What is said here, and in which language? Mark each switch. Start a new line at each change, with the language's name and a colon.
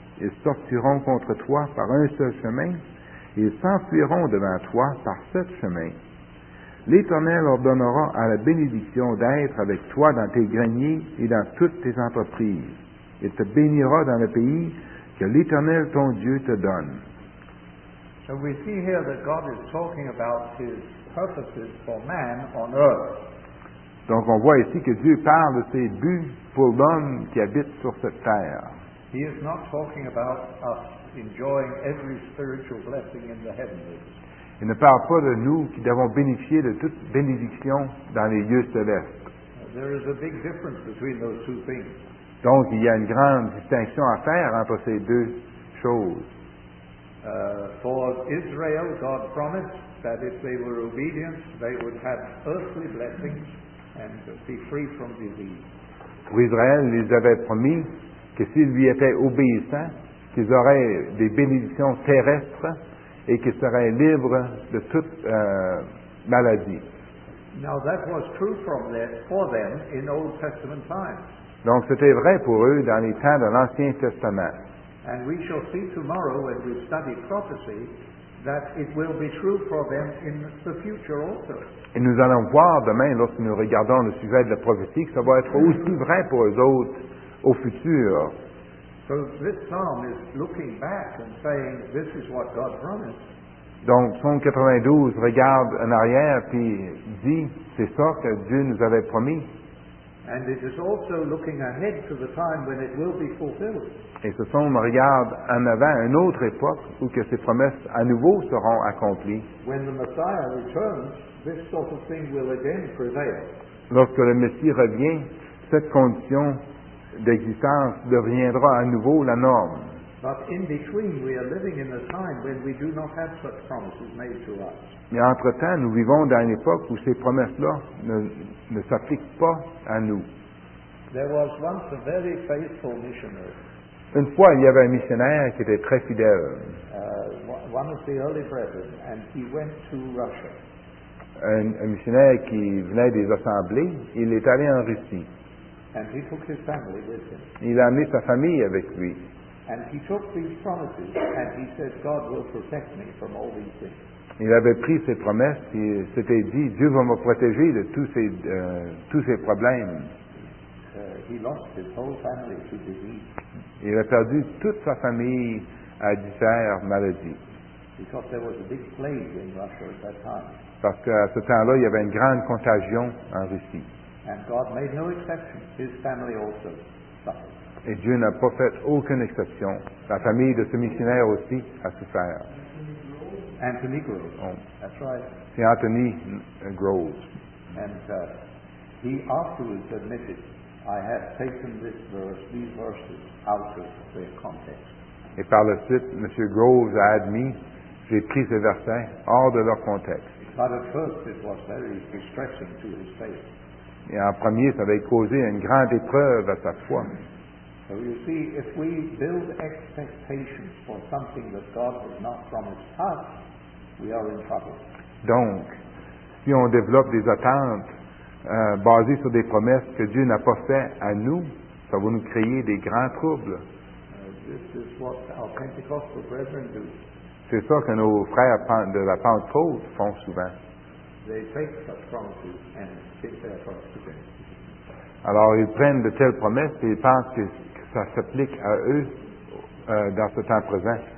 French: Ils sortiront contre toi par un seul chemin et ils s'enfuiront devant toi par sept chemins. L'Éternel ordonnera à la bénédiction d'être avec toi dans tes greniers et dans toutes tes entreprises. Il te bénira dans le pays que l'Éternel ton Dieu te donne.
English: So we see here that God is talking about his purposes for man on earth.
French: Donc on voit ici que Dieu parle de ses buts pour l'homme qui habite sur cette terre.
English: He is not talking about us enjoying every spiritual blessing in the heavenly.
French: Il ne parle pas de nous qui devons bénéficier de toute bénédiction dans les lieux célestes.
English: There is a big difference between those two things.
French: Donc il y a une grande distinction à faire entre ces deux choses.
English: For Israel, God promised that if they were obedient, they would have earthly blessings and be free from disease.
French: Pour Israël, il avait promis que s'ils lui étaient obéissants, qu'ils auraient des bénédictions terrestres et qu'ils seraient libres de toute maladie.
English: Now that was true for them in Old Testament times.
French: Donc c'était vrai pour eux dans les temps de l'Ancien Testament.
English: And we shall see tomorrow when we study prophecy that it will be true for them in the future also.
French: Et nous allons voir demain, lorsque nous regardons le sujet de la prophétie, que ça va être aussi vrai pour eux autres au futur.
English: So this psalm is looking back and saying this is what God promised.
French: Donc, psaume 92 regarde en arrière puis dit, c'est ça que Dieu nous avait promis.
English: And it is also looking ahead to the time when it will be fulfilled.
French: Et ce psaume regarde en avant une autre époque où que ces promesses à nouveau seront accomplies.
English: When the Messiah returns, this sort of thing will again prevail.
French: Lorsque le Messie revient, cette condition d'existence deviendra à nouveau la norme.
English: But in between, we are living in a time when we do not have such promises made to us.
French: Mais entre-temps, nous vivons dans une époque où ces promesses-là ne s'appliquent pas à nous.
English: There was once a very faithful missionary.
French: Une fois, il y avait un missionnaire qui était très fidèle.
English: One of the early brethren, and he went to Russia.
French: Un missionnaire qui venait des assemblées, il est allé en Russie.
English: And he took his family with him.
French: Il a amené sa famille avec lui.
English: And he took these promises, and he said, God will protect me from all these things.
French: Il avait pris ses promesses et s'était dit, Dieu va me protéger de tous ces problèmes.
English: He lost his whole family to disease.
French: Il a perdu toute sa famille à diverses maladies.
English: Because there was a big plague in Russia at that time.
French: Parce qu'à ce temps-là, il y avait une grande contagion en Russie.
English: And God made no exception. His family also suffered.
French: Et Dieu n'a pas fait aucune exception. La famille de ce missionnaire aussi a souffert.
English: Anthony Groves. Oh. That's right.
French: C'est Anthony Groves.
English: And he afterwards admitted, I have taken this verse, these verses, out of their context.
French: Et par la suite, M. Groves a admis, j'ai pris ces versets hors de leur contexte.
English: But at first it was very distressing to his faith.
French: Et en premier, ça avait causé une grande épreuve à sa foi.
English: So you see, if we build expectations for something that God has not promised us, we are in trouble.
French: Donc, si on développe des attentes basées sur des promesses que Dieu n'a pas faites à nous, ça va nous créer des grands troubles.
English: This is what our Pentecostal brethren do.
French: C'est ça que nos frères de la Pentecôte font souvent.
English: They take such promises and take their promises to them.
French: Alors, ils prennent de telles promesses et ils pensent que ça s'applique à eux dans ce temps présent.